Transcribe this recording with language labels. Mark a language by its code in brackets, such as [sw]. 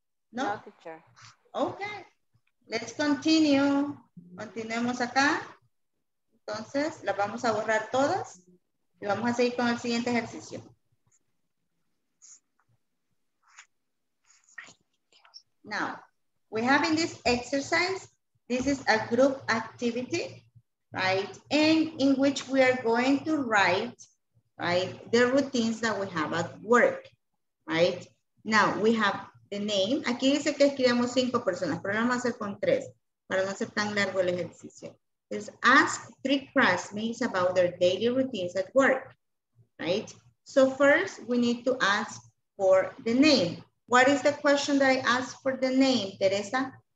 [en] No? Ok. Let's continue. [es] Continuemos acá. Entonces, las vamos a borrar todas. Y vamos a seguir con el siguiente ejercicio. [en] Now, we have in this exercise, this is a group activity, right? And in which we are going to write, right, the routines that we have at work, right? Now, we have the name. [es] Aquí dice que escribamos cinco personas, pero vamos a hacer con tres para no ser tan largo el ejercicio. [en] Let's ask three classmates about their daily routines at work, right? So first, we need to ask for the name. What is the question that I ask for the name, Teresa?